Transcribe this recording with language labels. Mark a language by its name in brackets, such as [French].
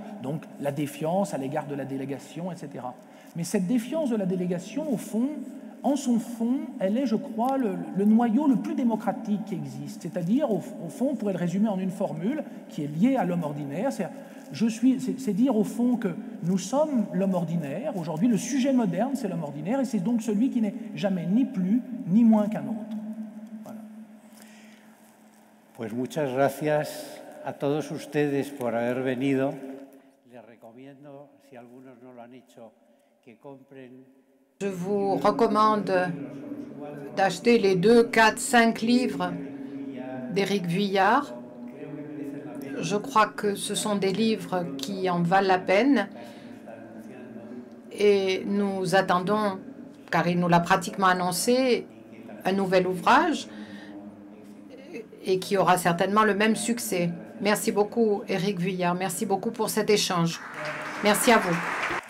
[French] Donc, la défiance à l'égard de la délégation, etc. Mais cette défiance de la délégation, au fond, en son fond, elle est, je crois, le noyau le plus démocratique qui existe. C'est-à-dire, au fond, on pourrait le résumer en une formule qui est liée à l'homme ordinaire, c'est dire au fond que nous sommes l'homme ordinaire, aujourd'hui le sujet moderne c'est l'homme ordinaire et c'est donc celui qui n'est jamais ni plus ni moins qu'un autre. Voilà. [Spanish] Pues muchas gracias a todos ustedes por haber venido. Les recomiendo, si algunos no lo han hecho, que compren. [French] Je vous recommande d'acheter les 2, 4, 5 livres d'Éric Vuillard. Je crois que ce sont des livres qui en valent la peine et nous attendons, car il nous l'a pratiquement annoncé, un nouvel ouvrage et qui aura certainement le même succès. Merci beaucoup, Éric Vuillard. Merci beaucoup pour cet échange. Merci à vous.